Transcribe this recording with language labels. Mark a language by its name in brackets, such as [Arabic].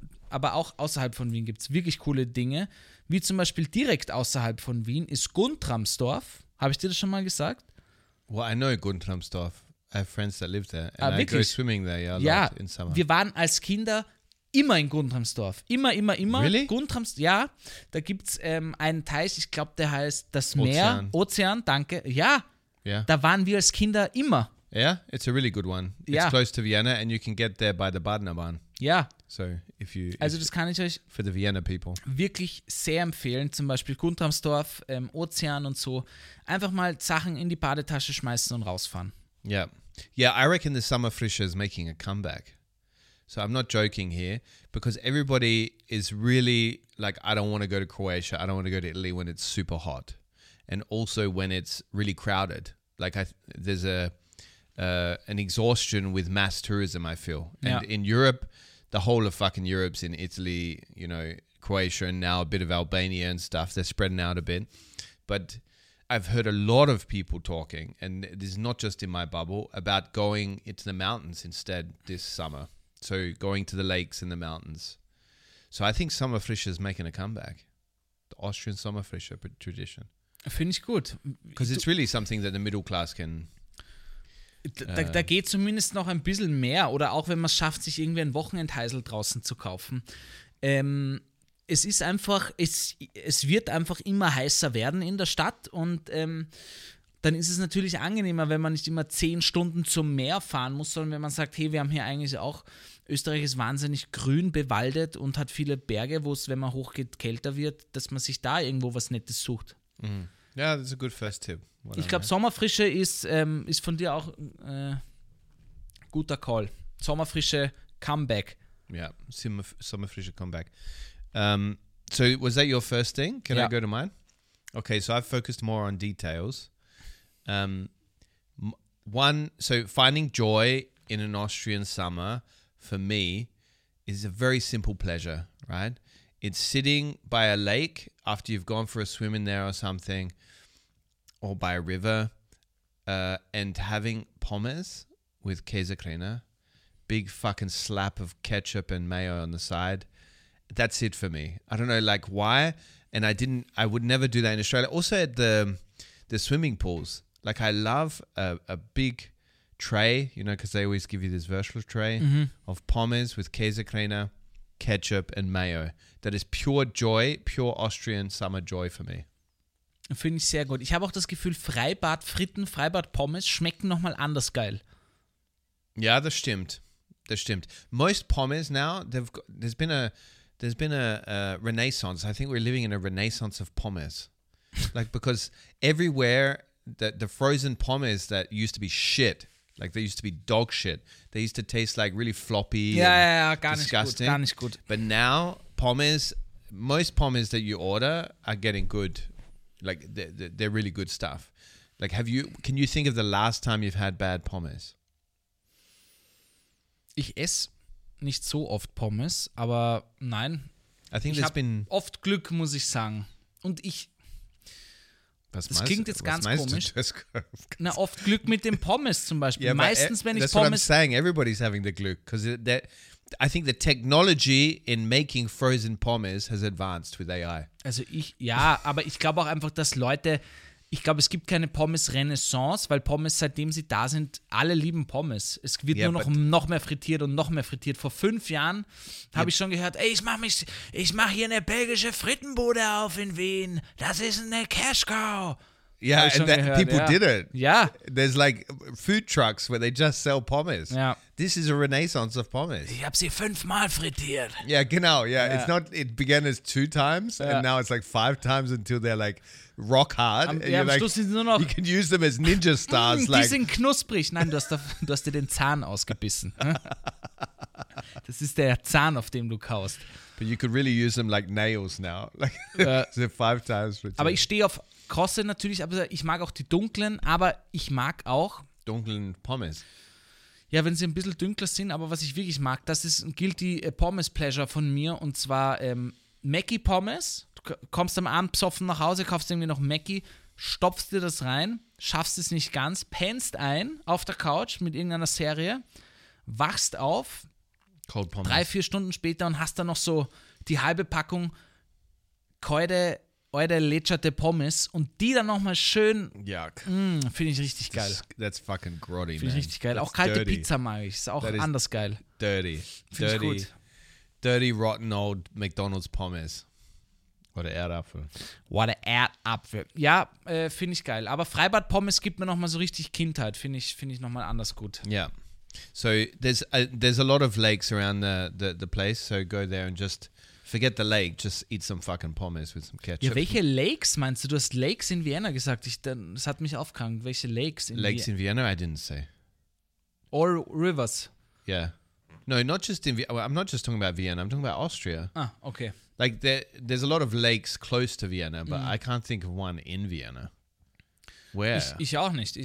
[German] Aber auch außerhalb von Wien gibt es wirklich coole Dinge. Wie zum Beispiel direkt außerhalb von Wien ist Guntramsdorf. Habe ich dir das schon mal gesagt? [English] Well, I know Guntramsdorf. I have friends that live there. And I go swimming there a lot in summer. [German] Wir waren als Kinder immer in Guntramsdorf. Immer, immer, immer. [English] Really? [German] Guntramsdorf, ja. Da gibt es einen Teich, ich glaube, der heißt das Meer. Ozean, danke. Ja. [English] Yeah. [German] Da waren wir als Kinder immer. [English] Yeah, it's a really good one. Yeah. It's close to Vienna and you can get there by the Badenerbahn. Yeah. So if you [German] also das kann ich euch [English] for the Vienna people. [German] Wirklich sehr empfehlen, zum Beispiel Guntramsdorf, Ozean und so. Einfach mal Sachen in die Badetasche schmeißen und rausfahren. [English] Yeah. Yeah, I reckon the Sommerfrische is making a comeback. So I'm not joking here, because everybody is really like, I don't want to go to Croatia. I don't want to go to Italy when it's super hot. And also when it's really crowded. Like there's an exhaustion with mass tourism, I feel. And yeah. In Europe, the whole of fucking Europe's in Italy, you know, Croatia and now a bit of Albania and stuff. They're spreading out a bit. But I've heard a lot of people talking, and this is not just in my bubble, about going into the mountains instead this summer. So going to the lakes and the mountains. So I think Sommerfrische is making a comeback. The Austrian Sommerfrische tradition. [German] Finde ich gut. [English] Because it's really something that the middle class can... [German] Da geht zumindest noch ein bisschen mehr. Oder auch wenn man es schafft, sich irgendwie ein Wochenendheisel draußen zu kaufen. Es ist einfach, es wird einfach immer heißer werden in der Stadt. Und dann ist es natürlich angenehmer, wenn man nicht immer 10 Stunden zum Meer fahren muss, sondern wenn man sagt, hey, wir haben hier eigentlich auch... Österreich ist wahnsinnig grün bewaldet und hat viele Berge, wo es, wenn man hochgeht, kälter wird, dass man sich da irgendwo was Nettes sucht. Ja, das ist ein guter erster Tipp. Ich glaube, Sommerfrische ist von dir auch guter Call. Sommerfrische Comeback. Ja, Sommerfrische Comeback. [English] So, was that your first thing? Can I go to mine? Okay, so I've focused more on details. So finding joy in an Austrian summer for me is a very simple pleasure, right? It's sitting by a lake after you've gone for a swim in there or something, or by a river, and having pommes with Käsekrainer, big fucking slap of ketchup and mayo on the side. That's it for me. I don't know like why, and I would never do that in Australia. Also at the swimming pools, like I love a big tray, you know, because they always give you this virtual tray of pommes with Käsekrainer, ketchup and mayo. That is pure joy, pure Austrian summer joy for me. [German] Finde ich sehr gut. Ich habe auch das Gefühl, Freibad-Fritten, Freibad-Pommes schmecken nochmal anders geil. Ja, das stimmt. Das stimmt. [English] Most pommes now, there's been a renaissance. I think we're living in a renaissance of pommes. Like, because everywhere, the frozen pommes that used to be shit, like they used to be dog shit. They used to taste like really floppy. [German] Disgusting. Gar nicht gut. [English] But now, most pommes that you order are getting good. Like, they're really good stuff. Like, can you think of the last time you've had bad pommes? [German] Ich esse nicht so oft Pommes, aber nein. [English] I think there's been... [German] oft Glück, muss ich sagen. Und ich... Das klingt jetzt ganz komisch. Na, oft Glück mit den Pommes zum Beispiel. Yeah, meistens, wenn ich Pommes... [English] That's what I'm saying. Everybody's having the Glück. I think the technology in making frozen pommes has advanced with AI. [German] Also aber ich glaube auch einfach, dass Leute, ich glaube, es gibt keine Pommes-Renaissance, weil Pommes, seitdem sie da sind, alle lieben Pommes. Es wird nur noch mehr frittiert und noch mehr frittiert. Vor 5 Jahren habe ich schon gehört, ey, ich mach hier eine belgische Frittenbude auf in Wien. Das ist eine Cash-Cow. [English] Yeah, and that gehört, people did it. Yeah. There's like food trucks where they just sell pommes. Yeah. This is a renaissance of pommes. [German] Ich hab sie 5-mal frittiert. [English] Yeah, genau. Yeah. It's not, it began as 2 times and now it's like 5 times until they're like rock hard. You can use them as ninja stars. [German] Die sind knusprig. Nein, du hast dir den Zahn ausgebissen. Das ist der Zahn, auf dem du kaust. [English] But you could really use them like nails now. Like, so 5 times frittiert. [German] Aber ich stehe auf Krosse natürlich, aber ich mag auch die dunklen, aber ich mag auch... Dunklen Pommes. Ja, wenn sie ein bisschen dunkler sind, aber was ich wirklich mag, das ist ein guilty Pommes Pleasure von mir und zwar Mackie Pommes. Du kommst am Abend psoffen nach Hause, kaufst irgendwie noch Mackie, stopfst dir das rein, schaffst es nicht ganz, pennst ein auf der Couch mit irgendeiner Serie, wachst auf, [English] Cold Pommes. [German] 3-4 Stunden später und hast dann noch so die halbe Packung Käude... Eure lecherte Pommes und die dann nochmal schön. Ja. Finde ich richtig geil. [English] That's fucking grotty, man. [German] Finde ich richtig geil. Auch kalte Pizza mag ich. Ist auch anders geil. [English] Dirty. [German] Finde ich gut. [English] Dirty, rotten old McDonald's Pommes. [German] Oder Erdapfel. Oder Erdapfel. Ja, finde ich geil. Aber Freibad Pommes gibt mir nochmal so richtig Kindheit. Finde ich nochmal anders gut. Ja. Yeah. [English] So, there's a lot of lakes around the place. So, go there and just. Forget the lake, just eat some fucking pommes with some ketchup. [German] Ja, welche Lakes meinst du? Du hast Lakes in Vienna gesagt. Das hat mich aufgehängt. Welche Lakes [English] in Vienna? Lakes in Vienna, I didn't say. Or rivers. Yeah. No, not just in Vienna. Well, I'm not just talking about Vienna. I'm talking about Austria. Ah, okay. Like there's a lot of lakes close to Vienna, but I can't think of one in Vienna. Where? [German] Ich auch nicht.